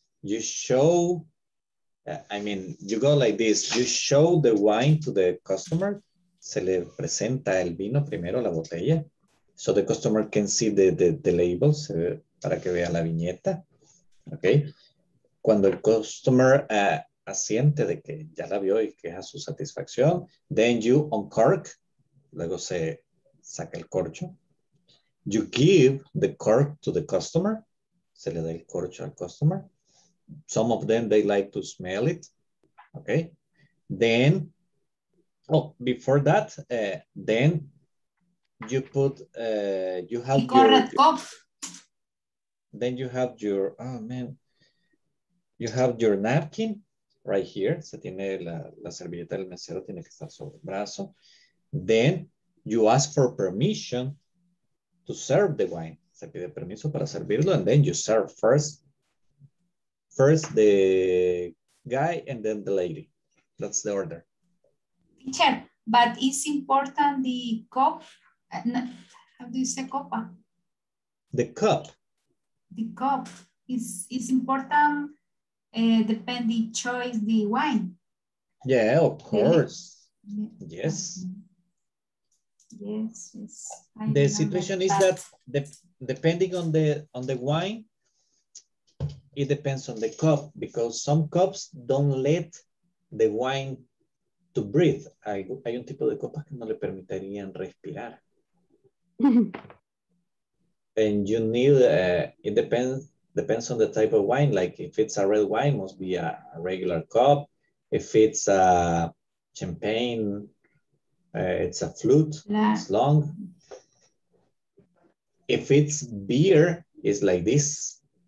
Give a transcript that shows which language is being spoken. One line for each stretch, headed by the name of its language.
English: You show, I mean, you go like this. You show the wine to the customer.
Spanish: Se le presenta el vino primero, la botella.
English: So the customer can see the labels
Spanish: para que vea la viñeta.
English: Okay.
Spanish: Cuando el customer asiente de que ya la vio y que es a su satisfacción,
English: then you uncork.
Spanish: Luego se saca el corcho.
English: You give the cork to the customer.
Spanish: Se le da el corcho al customer.
English: Some of them, they like to smell it, okay? Then, oh, before that, then you put, you have your... Cough. Then you have your, oh, man. You have your napkin right here.
Spanish: Se tiene la servilleta del mesero, tiene que estar sobre el brazo.
English: Then you ask for permission to serve the wine.
Spanish: Se pide permiso para servirlo,
English: and then you serve first. First the guy and then the lady. That's the order. Teacher, but it's important the cup. How do you say copa? The cup. The cup is important depending choice the wine. Yeah, of course. Really? Yes. Yes. Yes. The situation is that depending on the wine, it depends on the cup, because some cups don't let the wine to breathe.
Spanish: Hay un tipo de copas que no le permitirían respirar.
English: And you need, it depends on the type of wine. Like if it's a red wine, must be a regular cup. If it's a champagne, it's a flute, yeah. It's long. If it's beer, it's like this.